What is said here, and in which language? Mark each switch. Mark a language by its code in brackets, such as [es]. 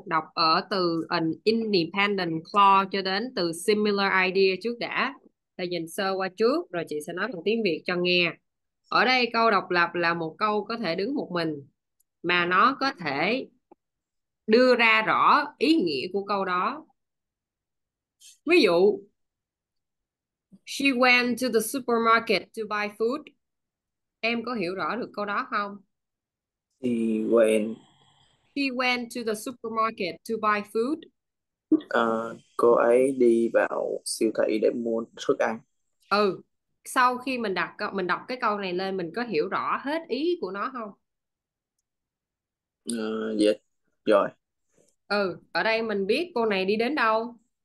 [vi] Đọc ở từ [en] an independent clause [vi] cho đến từ similar idea trước đã. Thầy nhìn sơ qua trước rồi chị sẽ nói bằng tiếng Việt cho nghe. Ở đây câu độc lập là một câu có thể đứng một mình mà nó có thể đưa ra rõ ý nghĩa của câu đó. Ví dụ, [en] she went to the supermarket to buy food. [vi] Em có hiểu rõ được câu đó không? [en] She went to the supermarket to buy food. [vi] Cô ấy đi vào siêu thị để mua thức ăn. Ừ, sau khi mình đọc cái câu này lên, mình có hiểu rõ hết ý của nó không? Rồi. Ừ, ở đây mình biết cô này đi đến đâu?